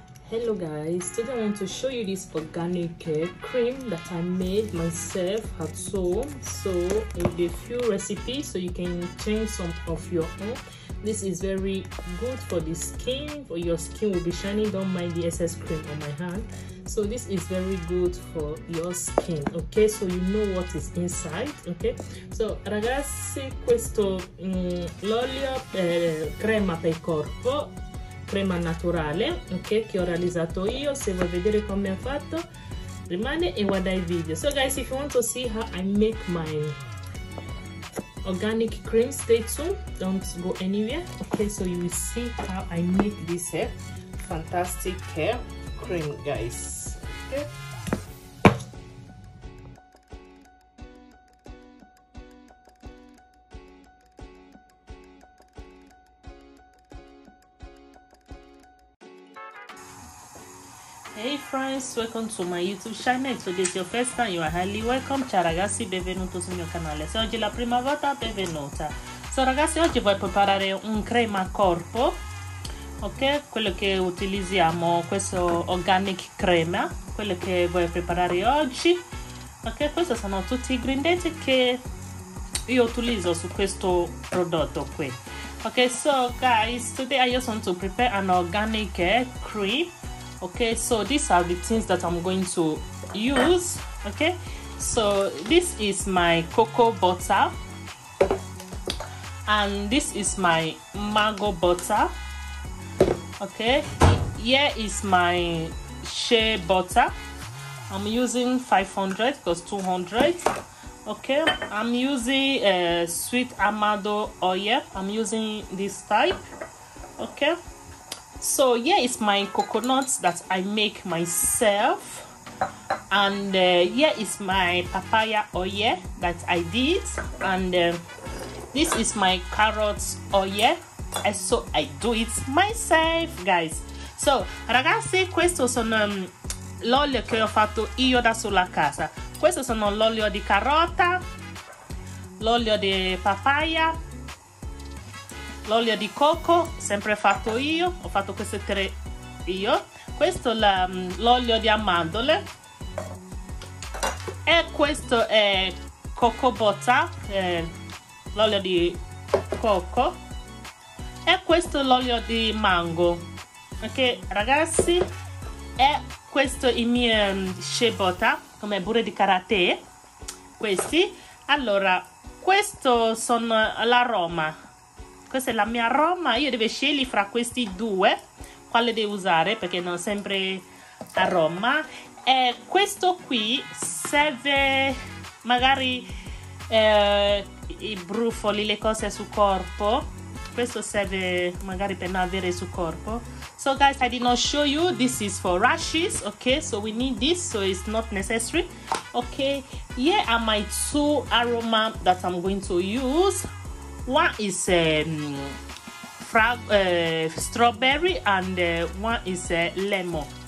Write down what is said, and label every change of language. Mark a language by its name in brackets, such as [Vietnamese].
[English] Hello guys, today I want to show you this organic cream that I made myself at home. So it's a few recipes so you can change some of your own. This is very good for the skin, for your skin will be shiny. Don't mind the excess cream on my hand. So this is very good for your skin, okay? So you know what is inside, okay? [Italian] So ragazzi, questo l'olio per crema per corpo, crema naturale, ok, che ho realizzato io. Se vuoi vedere come ho fatto, rimane e guarda il video. [English] So guys, if you want to see how I make my organic cream, stay tuned, don't go anywhere, okay? So you will see how I make this hair fantastic hair cream, guys, okay? Hey friends, welcome to my YouTube channel. So this is your first time, you are highly welcome. [Italian] Ciao ragazzi, benvenuto sul mio canale. Se oggi è la prima volta, benvenuta. So ragazzi, oggi voglio preparare un crema corpo, ok? Quello che utilizziamo, questo organic crema, quello che voglio preparare oggi, ok? Questi sono tutti gli ingredienti che io utilizzo su questo prodotto qui. [English] Ok, so guys, today I just want to prepare an organic cream. Okay, so these are the things that I'm going to use. Okay, so this is my cocoa butter, and this is my mango butter. Okay, here is my shea butter. I'm using 500 because 200. Okay, I'm using sweet amado oil. I'm using this type. Okay. So here is my coconut that I make myself, and here is my papaya oil that I did, and this is my carrot oil, and so I do it myself, guys. [Italian] So ragazzi, questo sono l'olio che ho fatto io da sulla casa. Questo sono l'olio di carota, l'olio di papaya, l'olio di cocco, sempre fatto io, ho fatto queste tre io. Questo è l'olio di amandole, e questo è cocco butter, l'olio di cocco, e questo è l'olio di mango. Ok ragazzi, e questo è il mio shea butter, come burro di karate. Questi, allora, questo sono l'aroma. Questa è la mia aroma, io devo scegliere fra questi due quale devo usare, perché non sempre aroma. E questo qui serve magari i brufoli, le cose sul corpo. Questo serve magari per non avere sul corpo. [English] So guys, I did not show you, this is for rashes, okay? So we need this, so it's not necessary, okay? Here are my two aroma that I'm going to use. One is strawberry, and one is lemon.